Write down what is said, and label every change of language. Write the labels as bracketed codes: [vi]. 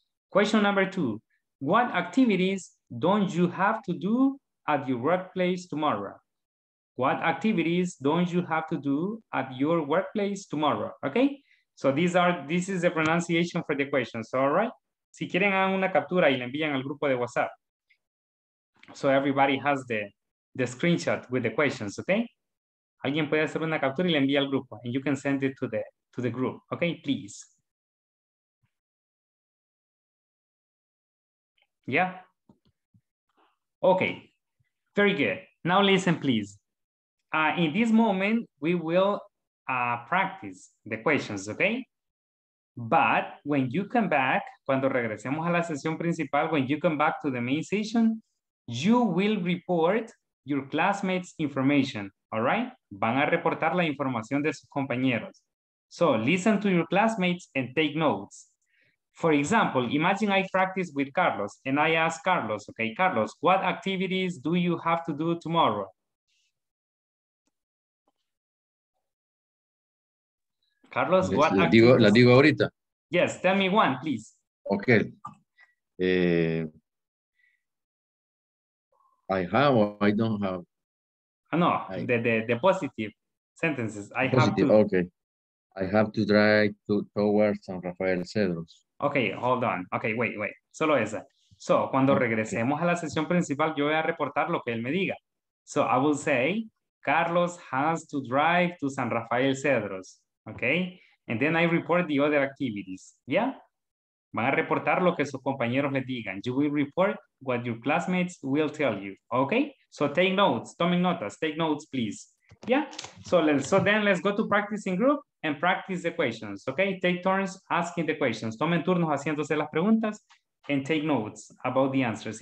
[en] Question number two, what activities don't you have to do at your workplace tomorrow? What activities don't you have to do at your workplace tomorrow? Okay, so this is the pronunciation for the questions, all right? [es] Si quieren, hagan una captura y la envían al grupo de WhatsApp. [en] So everybody has the screenshot with the questions, okay? [es] Alguien puede hacer una captura y la envía al grupo. [en] And you can send it to the group, okay? Please. Yeah. Okay. Very good. Now listen, please. In this moment, we will practice the questions, okay? But when you come back, [es] cuando regresemos a la sesión principal, [en] when you come back to the main session, you will report your classmates' information, all right? [es] Van a reportar la información de sus compañeros. [en] So listen to your classmates and take notes. For example, imagine I practice with Carlos and I ask Carlos, okay, Carlos, what activities do you have to do tomorrow? Carlos, what activities? [es] La digo ahorita. [en] Yes, tell me one, please. Okay. I have or I don't have? No, the positive sentences. I positive, have to. Okay. I have to drive towards San Rafael Cedros. Okay, hold on. Okay, wait. [es] Solo esa. [en] So, [es] cuando regresemos a la sesión principal, yo voy a reportar lo que él me diga. [en] So, I will say, Carlos has to drive to San Rafael Cedros. Okay? And then I report the other activities. Yeah? [es] Van a reportar lo que sus compañeros le digan. [en] You will report what your classmates will tell you. Okay? So, take notes. [es] Tomen notas. [en] Take notes, please. Yeah? So then let's go to practicing group. And practice the questions, okay? Take turns asking the questions. [es] Tomen turnos haciéndose las preguntas [en] and take notes about the answers.